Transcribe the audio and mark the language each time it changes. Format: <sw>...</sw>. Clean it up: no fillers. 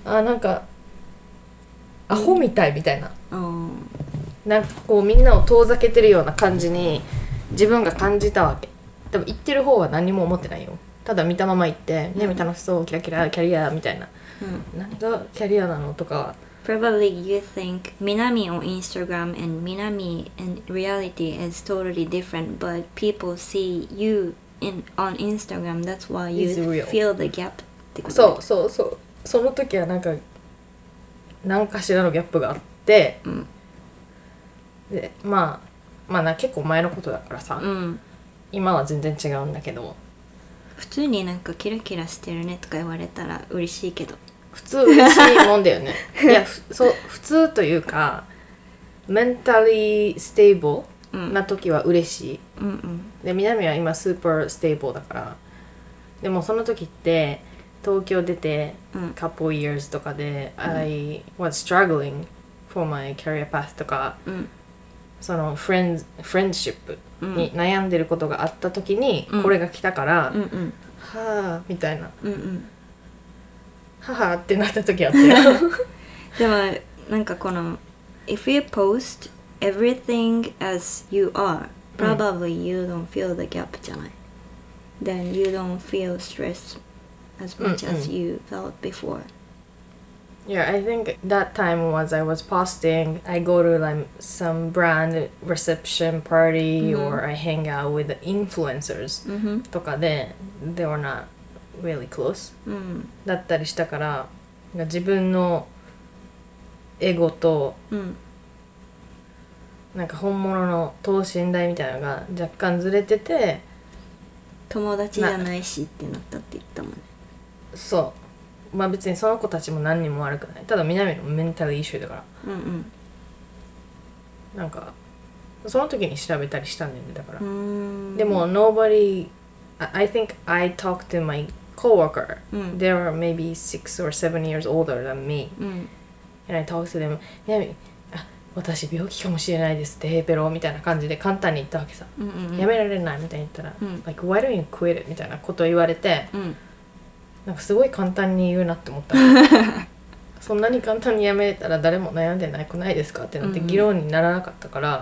<ja>あ、なんかアホみたいみたいな、うん、なんかこうみんなを遠ざけてるような感じに自分が感じたわけ。でも言ってる方は何も思ってないよ。ただ見たまま行って、ね、楽しそう、キラキラ、キャリアみたいな、うん、何がキャリアなのとか。</ja> <en>Probably you think Minami on Instagram and Minami in reality is totally different, but people see you in, on Instagram, that's why you feel the gap.</en> <ja>そうそうそう。その時はなんか、何かしらのギャップがあって、うん、で、まあ、まあな、結構前のことだからさ、うん、今は全然違うんだけど。普通になんかキラキラしてるねとか言われたら嬉しいけど。普通嬉しいもんだよね。いや、そう、普通というか、メンタリーステーブルな時は嬉しい。うんうん、で、南は今スーパーステーブルだから。でもその時って、東京出て、</ja> <en>couple years</en> <ja>とかで、うん、</ja> <en>I was struggling for my career path とか、うん、</en> <ja>その friendship に悩んでることがあった時に、これが来たから、うんうんうん、はぁ、みたいな。うんうん、母ってなった時あったよ。でもなんかこの</ja> <en>If you post everything as you are probably you don't feel the gap じゃない、うん、Then you don't feel stress as much、うんうん、as you felt before. Yeah, I think that time was I was posting I go to like some brand reception party、うん、 or I hang out with influencers、うん、</en> <ja>とかで</ja> <en>they were notreally close、うん、</en> <ja>だったりしたから自分のエゴと、うん、なんか本物の等身大みたいなのが若干ずれてて友達じゃないしってなったって言ったもんね。そう、まあ別にその子たちも何にも悪くない。ただ南のメンタルイシューだから、うんうん、なんかその時に調べたりしたんだよね。だからうーん、</ja> <en>でも nobodyI think I talked to my coworker.、うん、 they were maybe 6 or 7 years older than me.、うん、 and I talked to them.</en> <ja>Yeah, 私病気かもしれないですってペロみたいな感じで簡単に言ったわけさ。うんうんうん、やめられないみたいに言ったら、うん、</ja> <en>like why don't you quit</en> <ja>みたいなことを言われて、うん、なんかすごい簡単に言うなって思った。そんなに簡単にやめれたら誰も悩んでないくないですかってなって議論にならなかったから、</ja>